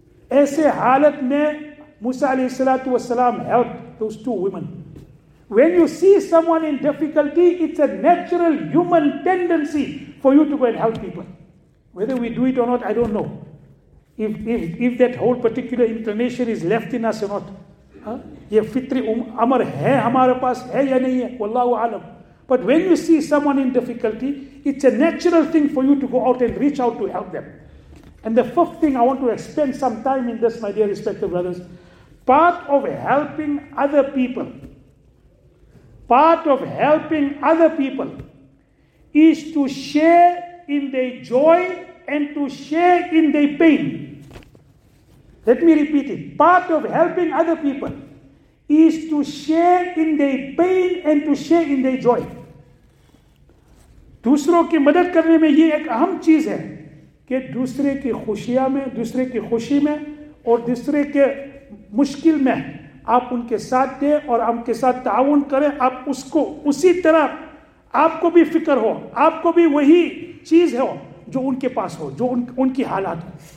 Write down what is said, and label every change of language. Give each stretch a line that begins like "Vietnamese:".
Urdu: Aise halat mein
English: Musa alayhi salatu wasalam helped those two women. When you see someone in difficulty, it's a natural human tendency for you to go and help people. Whether we do it or not, I don't know. If that whole particular inclination is left in us or not. Huh?
Urdu: یہ فطری امر ہے ہمارے پاس ہے یا نہیں ہے, واللہ عالم.
English: But when you see someone in difficulty, it's a natural thing for you to go out and reach out to help them. And the fifth thing, I want to spend some time in this, my dear respected brothers. Part of helping other people is to share in their joy and to share in their pain. Let me repeat it. Part of helping other people is to share in their pain and to share in their joy.
Urdu: دوسروں کی مدد کرنے میں یہ ایک اہم چیز ہے کہ دوسرے کی خوشیاں میں, دوسرے کی خوشی میں اور دوسرے کے مشکل میں آپ ان کے ساتھ دیں اور ان کے ساتھ تعاون کریں. آپ اس کو اسی طرح آپ کو بھی فکر ہو, آپ کو بھی وہی چیز ہو جو ان کے پاس ہو, جو ان کی حالات ہو.